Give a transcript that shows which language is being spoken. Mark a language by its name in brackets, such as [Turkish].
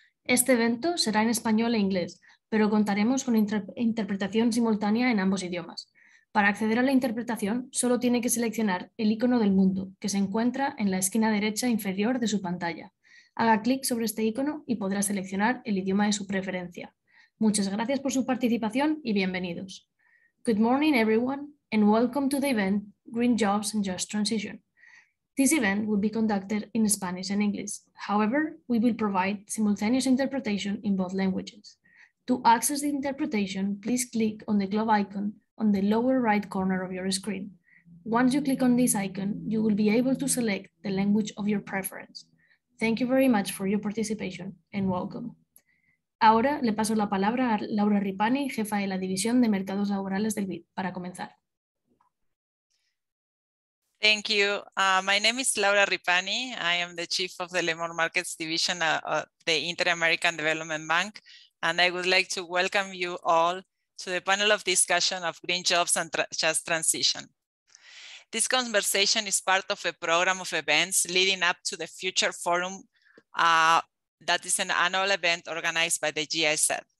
[Spanish] Este evento será en español e inglés, pero contaremos con interpretación simultánea en ambos idiomas. Para acceder a la interpretación, solo tiene que seleccionar el icono del mundo que se encuentra en la esquina derecha inferior de su pantalla. Haga clic sobre este icono y podrá seleccionar el idioma de su preferencia. Muchas gracias por su participación y bienvenidos. [English] Good morning, everyone, and welcome to the event Green Jobs and Just Transition. This event will be conducted in Spanish and English. However, we will provide simultaneous interpretation in both languages. To access the interpretation, please click on the globe icon on the lower right corner of your screen. Once you click on this icon, you will be able to select the language of your preference. Thank you very much for your participation and welcome. [Spanish] Ahora le paso la palabra a Laura Ripani, jefa de la División de Mercados Laborales del BID, para comenzar. [English] Thank you. My name is Laura Ripani. I am the chief of the Labor Markets Division at the Inter-American Development Bank. And I would like to welcome you all to the panel of discussion of Green Jobs and Just Transition. This conversation is part of a program of events leading up to the Future Forum, that is an annual event organized by the GIZ.